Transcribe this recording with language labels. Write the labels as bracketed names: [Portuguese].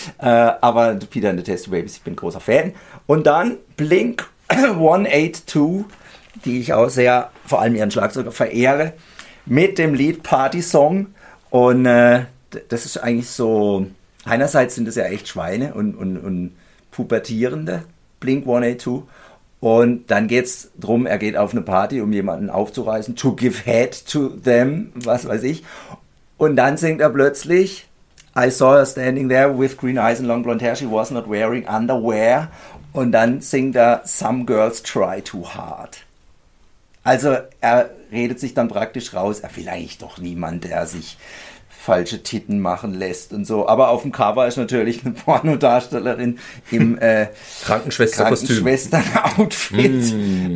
[German] Aber Peter and the Testy Babies, ich bin großer Fan. Und dann Blink 182, die ich auch sehr, vor allem ihren Schlagzeuger, verehre, mit dem Lied Party Song. Und das ist eigentlich so, einerseits sind das ja echt Schweine und Pubertierende, Blink 182. Und dann geht's drum, er geht auf eine Party, um jemanden aufzureißen, [English] to give head to them, [German] was weiß ich. Und dann singt er plötzlich, [English] I saw her standing there with green eyes and long blonde hair, she was not wearing underwear. [German] Und dann singt er, [English] some girls try too hard. [German] Also er redet sich dann praktisch raus, er will eigentlich doch niemand, der sich falsche Titten machen lässt und so. Aber auf dem Cover ist natürlich eine Pornodarstellerin im Krankenschwester-Outfit.